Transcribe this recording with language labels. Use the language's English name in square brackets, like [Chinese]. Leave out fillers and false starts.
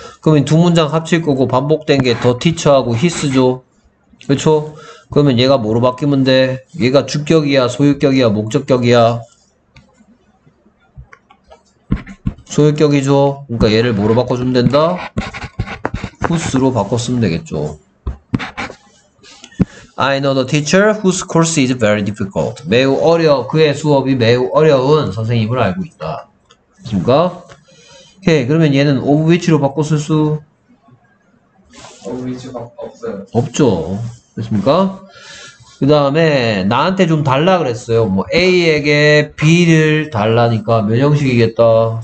[Korean] 그러면 두 문장 합칠 거고 반복된 게더 티처하고 히스죠? 그렇죠? 그러면 얘가 뭐로 바뀌면 돼? 얘가 주격이야, 소유격이야, 목적격이야? 소유격이죠? 그러니까 얘를 뭐로 바꿔주면 된다? Whose로 바꿨으면 되겠죠? [English] I know the teacher whose course is very difficult. [Korean] 매우 어려워. 그의 수업이 매우 어려운 선생님을 알고 있다. 맞습니까? 오케이. 그러면 얘는 of which로 바꿨을 수? 위치가 없어요. 없죠. 됐습니까? 그 다음에 나한테 좀 달라 그랬어요. 뭐 A에게 B를 달라니까 몇 형식이겠다.